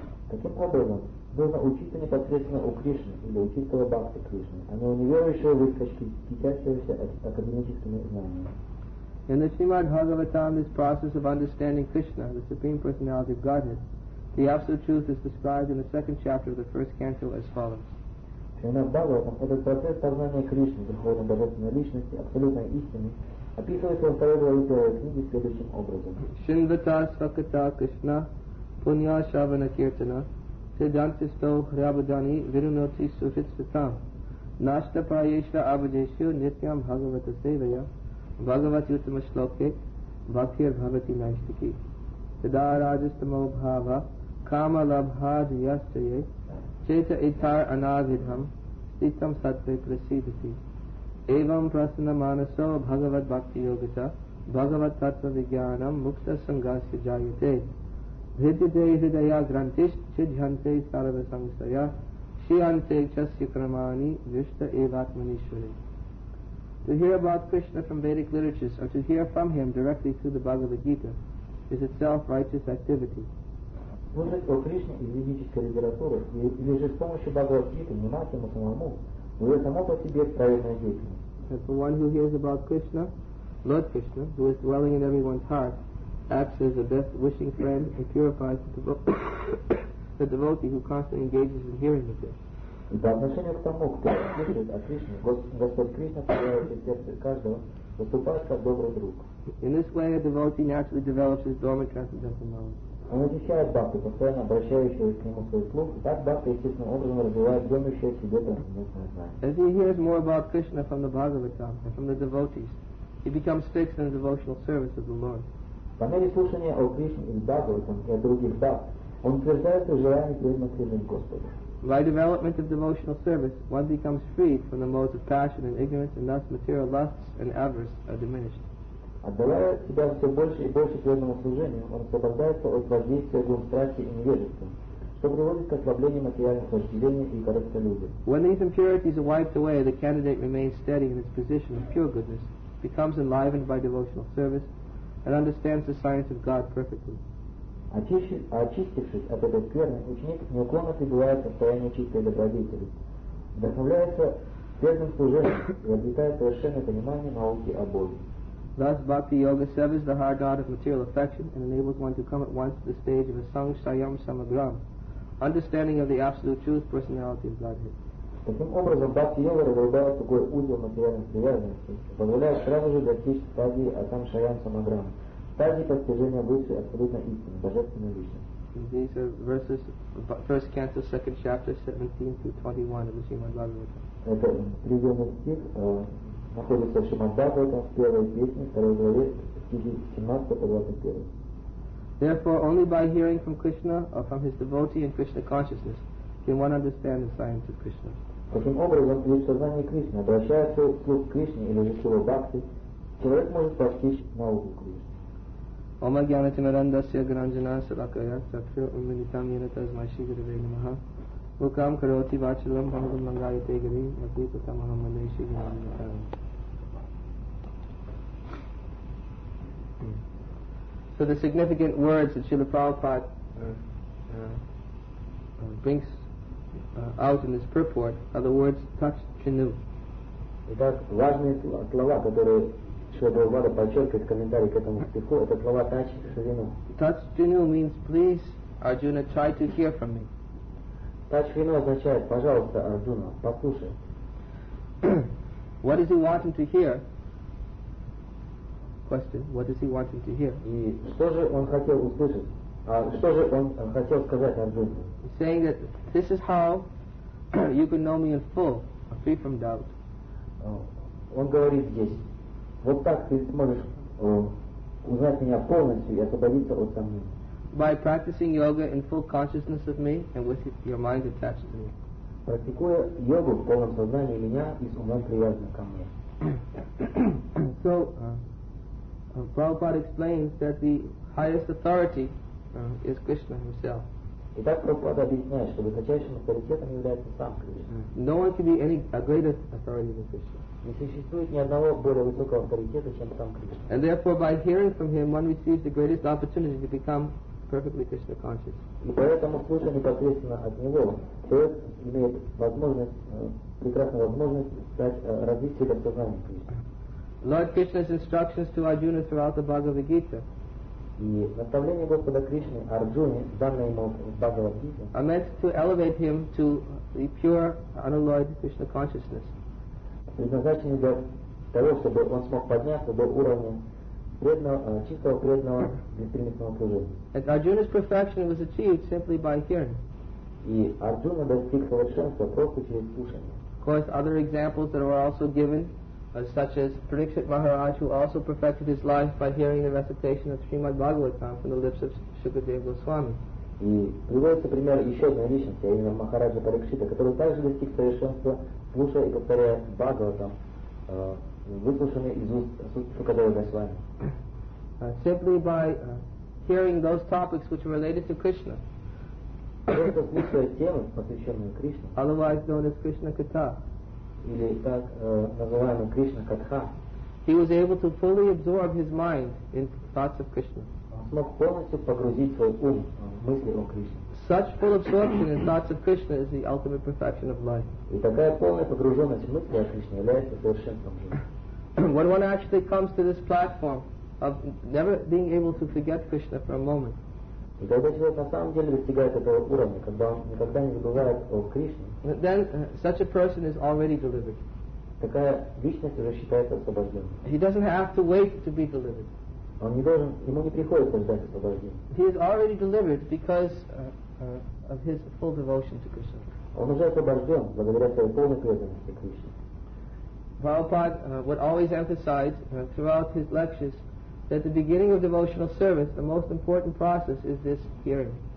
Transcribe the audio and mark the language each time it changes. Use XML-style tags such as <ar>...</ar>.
<ru>Таким образом, нужно учиться непосредственно у Кришны или у чистого бхакти Кришны, а не у неверующего выскочки, кичащегося академическими знаниями.</ru> <en>In the Srimad Bhagavatam, this process of understanding Krishna, the Supreme Personality of Godhead, the Absolute Truth is described in the second chapter of the first canto as follows.</en> <ru>личности. Она в Бхагаватам, этот процесс познания Кришны, Верховной Божественной Личности, абсолютной истины, описывается во второй главе первой книги следующим образом.</ru> <sa>Шинвата Свакита Кришна Пунья Шавана Киртана Сиддханти Сто Хрябадани Вирунати Суфитсвитам Нашта Прайешва Абаджешу Нитьям Бхагавата Севая Бхагавати Утама Шлоке Бхактир Бхавати Найштики Сида Раджастамо Бхава Кама Лабхад Ястрие Чета Итар Анавидхам Ситам Сатве Прасидити Эвам Прасана Манасо Бхагават Бхакти Йогата Бхагават Татва Вигьянам Мукта Сангаси Джайате Бхидиде Хридая Грантиш Чидхьянте Сарава Сангсая Шианте Часи Крамани Вишта Эватманишвари.</sa> <en>To hear about Krishna from Vedic literatures or to hear from him directly through the Bhagavad Gita is itself righteous activity.</en> <ru>Слушать о Кришне из ведической литературы или же с помощью Бхагавад-гиты, внимательно самому, уже само по себе правильное действие.</ru> <en>For one who hears about Krishna, Lord Krishna, who is dwelling in everyone's heart, acts as the best wishing friend and purifies the devotee who constantly engages in hearing of this.</en> <ru>И по отношению к тому, кто слышит о Кришне, Господь Кришна появляется в сердце каждого, выступает как добрый друг.</ru> <en>In this way, a devotee naturally develops his dormant transcendental knowledge.</en> <ru>Он очищает бхакту, постоянно обращающегося к нему свой слух, и так бхакта естественным образом развивает дремлющее в себе трансцендентное знание.</ru> <en>As he hears more about Krishna from the Bhagavatam and from the devotees, he becomes fixed in the devotional service of the Lord.</en> <ru>По мере слушания о Кришне из Бхагаватам и о других бхакт, он утверждается в желании преданности служить Господу.</ru> <en>By development of devotional service, one becomes freed from the modes of passion and ignorance, and thus material lusts and avarice are diminished.</en> <ru>Отдавая себя все больше и больше преданному служению, он освобождается от воздействия двум страсти и невежества, что приводит к ослаблению материальных вожделений и корыстолюбия.</ru> <en>When these impurities are wiped away, the candidate remains steady in his position of pure goodness, becomes enlivened by devotional service, and understands the science of God perfectly.</en> <ru>Очистившись от этой скверны, ученик неуклонно пребывает в состоянии чистой добродетели, вдохновляется верным служением и обретает совершенное понимание науки о Боге.</ru> <en>Thus, bhakti yoga severs the hard knot of material affection and enables one to come at once to the stage of a</en> <sa>sangh sayam samagram,</sa> <en>understanding of the absolute truth, personality of Godhead.</en> <ru>Таким образом, bhakti yoga разрубает такой узел материальной привязанности, позволяет сразу же достичь стадии</ru> <sa>асам шаям самаграм,</sa> <ru>стадии постижения высшей абсолютно истины, божественной личности.</ru> <en>These are verses, first canto, second chapter, 17-21 of the Srimad Bhagavatam.</en> <ru>Это приемный стих, находится в Шримад Бхагаватам в первой песне, второй главе, стихи 17-21.</ru> <en>Therefore, only by hearing from Krishna or from his devotee in Krishna consciousness can one understand the science of Krishna.</en> <ru>Таким образом, при сознании Кришны, обращая свой слух к Кришне или же силу бхакти, человек может постичь науку Кришны.</ru> <sa>Ома гьянати мирандасья гранджана салакая чакшу умминитам йенатаз майши гирве намаха Мукам кароти вачалам бхангам лангайте гири мати пута махамманайши гирве намаха.</sa> <en>So the significant words that Srila Prabhupada brings out in this purport are the words touch chinu.</en> <ru>Итак, важные слова, которые Шри Прабхупада подчеркивает в комментарии к этому стиху, это слова</ru> <sa>touch chinu.</sa> <en>Touch chinu means please, Arjuna, try to hear from me.</en> <sa>Touch chinu</sa> <ru>означает, пожалуйста, Арджуна, послушай.</ru> <en>What is he wanting to hear? Question, what is he wanting to hear?</en> <ru>И что же он хотел услышать? Что же он хотел сказать Арджуне?</ru> <en>Saying that this is how you can know me in full, free from doubt.</en> <ru>Он говорит здесь, вот так ты сможешь узнать меня полностью и освободиться от сомнений.</ru> <en>By practicing yoga in full consciousness of me and with your mind attached to me.</en> <ru>Практикуя йогу в полном сознании меня и с умом привязанным ко мне.</ru> <en>So, Prabhupada explains that the highest authority is Krishna himself.</en> <ru>Итак, Прабхупада объясняет, что высочайшим авторитетом является сам Кришна.</ru> <en>No one can be any greater authority than Krishna.</en> <ru>Не существует ни одного более высокого авторитета, чем сам Кришна.</ru> <en>And therefore, by hearing from him, one receives the greatest opportunity to become perfectly Krishna conscious.</en> <ru>И поэтому, слушая непосредственно от него, человек имеет возможность, прекрасную возможность стать, развить себя в сознании Кришны.</ru> <en>Lord Krishna's instructions to Arjuna throughout the Bhagavad Gita</en> <ru>И наставление Господа Кришны Арджуне, данное ему в Бхагавад Гите,</ru> <en>are meant to elevate him to the pure, unalloyed Krishna consciousness.</en> <ru>Предназначены для того, чтобы он смог подняться до уровня преданного, чистого преданного бесприметного служения.</ru> <en>And Arjuna's perfection was achieved simply by hearing.</en> <ru>И Арджуна достиг совершенства просто через слушание.</ru> <en>Of course, other examples that were also given, such as Pariksit Maharaj, who also perfected his life by hearing the recitation of Srimad Bhagavatam from the lips of Shukadeva Goswami.</en> <ru>И приводится пример еще одной личности, именно Махараджа Парикшита, который также достиг совершенства, слушая и повторяя Бхагаватам, выслушанный из уст Шукадева Госвами.</ru> <en>Simply by hearing those topics which are related to Krishna.</en> <ru>Просто слушая темы, посвященные Кришне.</ru> <en>Otherwise known as Krishna Katha.</en> <ru>Или так называемый Кришна Катха.</ru> <en>He was able to fully absorb his mind in thoughts of Krishna.</en> <ru>Он смог полностью погрузить свой ум в мысли о Кришне.</ru> <en>Such full absorption in thoughts of Krishna is the ultimate perfection of life.</en> <ru>И такая полная погруженность в мысли о Кришне является совершенством жизни.</ru> <en>When one actually comes to this platform of never being able to forget Krishna for a moment.</en> <ru>И когда человек на самом деле достигает этого уровня, когда он никогда не забывает о Кришне,</ru> <en>then such a person is already delivered.</en> <ru>Такая личность уже считается освобожденной.</ru> <en>He doesn't have to wait to be delivered.</en> <ru>Он не должен, ему не приходится ждать освобождения.</ru> <en>He is already delivered because of his full devotion to Krishna.</en> <ru>Он уже освобожден благодаря своей полной преданности Кришне.</ru> <en>Prabhupada would always emphasize throughout his lectures that the beginning of devotional service, the most important process, is this hearing.</en>